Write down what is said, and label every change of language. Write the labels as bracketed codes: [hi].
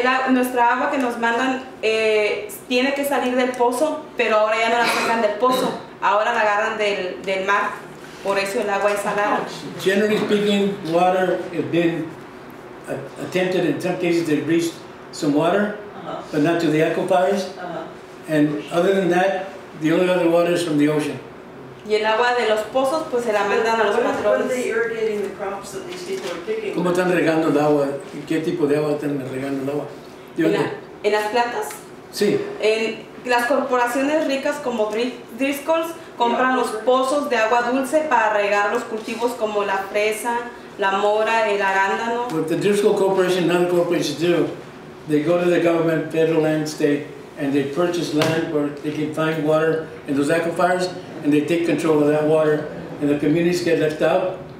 [es] Nuestra agua que nos mandan tiene que salir del pozo, pero ahora ya no la sacan del pozo. Ahora la agarran del mar. Por eso el agua es salada. [en] Generally speaking, water has been attempted in some cases they've reached some water, but not to the aquifers. And other than that, the only other water is from the ocean. [es] Y el agua de los pozos, pues se la mandan a los patrones. [en] What are they irrigating the crops that these people are picking? [es] ¿Cómo están regando el agua? ¿Qué tipo de agua están regando el agua? ¿En las plantas? Sí. Las corporaciones ricas como Driscoll's compran los pozos de agua dulce para regar los cultivos como la fresa, la mora, el arándano. [en] What the Driscoll Corporation and other corporations do, they go to the government, federal and state, and they purchase land where they can find water in those aquifers, and they take control of that water, and the communities get left out.